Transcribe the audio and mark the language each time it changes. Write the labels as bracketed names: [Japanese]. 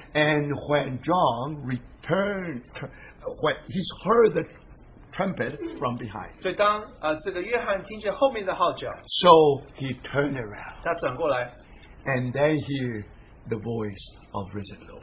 [English] And when John returned, when he heard the trumpet from behind, [Chinese] 所以当, 这个约翰听见后面的号角, [English] so he turned around. [Chinese] 他转过来, [English] and then he the voice of risen Lord.